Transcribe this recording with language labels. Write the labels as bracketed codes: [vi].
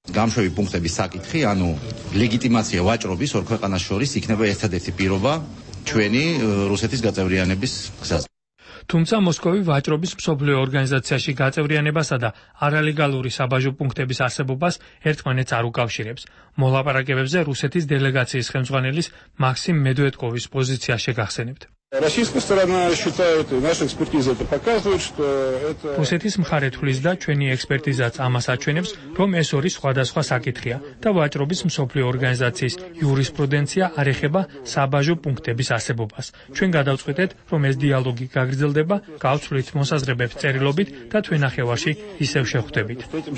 [ka] გამშვები პუნქტების საკითხი, ანუ ლეგიტიმაცია ვაჭრობის ორ ქვეყანას შორის იქნება ერთადერთი პირობა ჩვენი რუსეთის გაწევრიანების გზას. თუმცა მოსკოვი ვაჭრობის მსოფლიო ორგანიზაციაში გაწევრიანებასა და არალეგალური საბაჟო პუნქტების არსებობას ერთმანეთს არ უკავშირებს. მოლაპარაკებებზე რუსეთის დელეგაციის ხელმძღვანელის მაქსიმ მედვედკოვის პოზიცია შეგახსენებთ. [ru] Российская сторона считает, наша экспертиза это показывает, что это [ka] რუსეთის მხარე თვლის და ჩვენი ექსპერტიზაც ამას აჩვენებს, რომ ეს ორი სხვადასხვა საკითხია და ვაჭრობის მსოფლიო ორგანიზაციის იურისპრუდენცია არ ეხება საბაჟო პუნქტების არსებობას. ჩვენ გადავწყვეტეთ, რომ ეს დიალოგი გაგრძელდება, გავცვლით მოსაზრებებს წერილობით და თქვენ ახევარში ისევ შეხვდებით.